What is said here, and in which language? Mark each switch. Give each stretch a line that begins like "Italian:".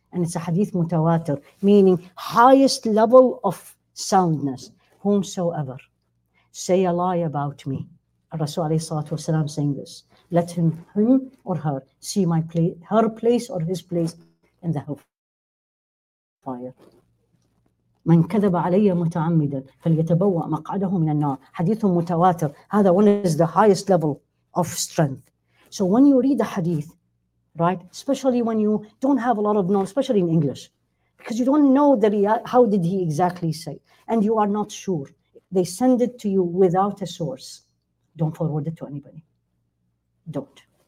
English: And it's a hadith mutawatir, meaning highest level of soundness, whomsoever say a lie about me. Rasul alayhi salatu wasalam saying this, let him or her see my place, her place or his place in the hellfire.
Arabic: من كذب علي متعمدا فليتبوأ مقعده من النار. حديث متواتر. هذا
English: one is the highest level of strength. So when you read a hadith, right, especially when you don't have a lot of knowledge, especially in English, because you don't know that how did he exactly say, and you are not sure, they send it to you without a source, don't forward it to anybody. Don't.